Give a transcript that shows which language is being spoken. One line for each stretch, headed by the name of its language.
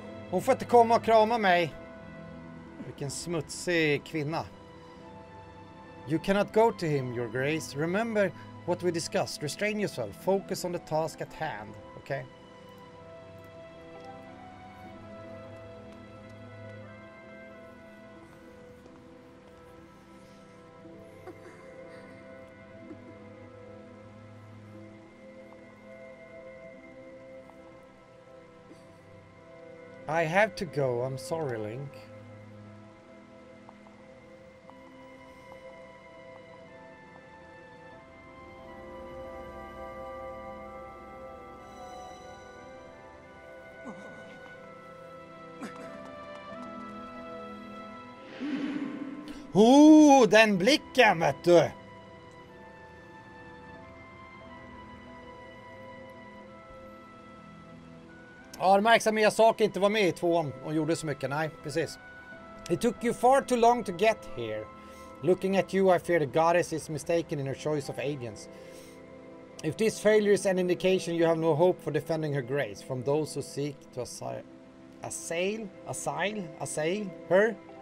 Swedish: Hon får inte komma och krama mig. Vilken smutsig kvinna.
English: You cannot go to him, your grace. Remember what we discussed. Restrain yourself. Focus on the task at hand. Okay? I have to go. I'm sorry, Link.
Swedish: Ooh, den blicken, vet du. Ja, det märks att Mia Saki inte var med i tvåan och gjorde så mycket. Nej, precis.
English: It took you far too long to get here. Looking at you, I fear the goddess is mistaken in her choice of agents. If this failure is an indication you have no hope for defending her grace from those who seek to assail her.